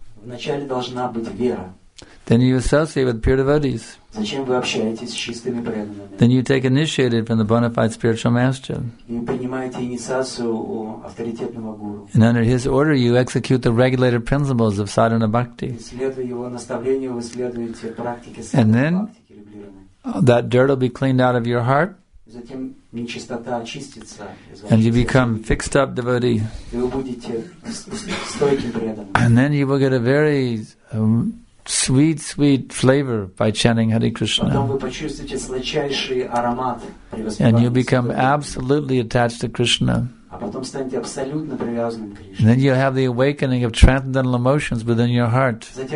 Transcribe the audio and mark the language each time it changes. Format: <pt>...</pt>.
<ru>Вначале должна быть вера.</ru> <en>Then you associate with pure devotees.</en> <ru>Зачем вы общаетесь с чистыми преданными?</ru> <en>Then you take initiative from the bona fide spiritual master.</en> <ru>И принимаете инициацию у авторитетного гуру.</ru> <en>And under his order, you execute the regulated principles of sadhana bhakti.</en> <ru>Следуя его наставлению, вы следуете практике.</ru> <en>And then that dirt will be cleaned out of your heart.</en> <ru>Затем нечистота очистится.</ru> <en>And you become fixed up devotee.</en> <ru>И вы будете стойким преданным.</ru> <en>And then you will get a very sweet, sweet flavor by chanting Hare Krishna. And you become absolutely attached to Krishna. And then you'll have the awakening of transcendental emotions within your heart.</en>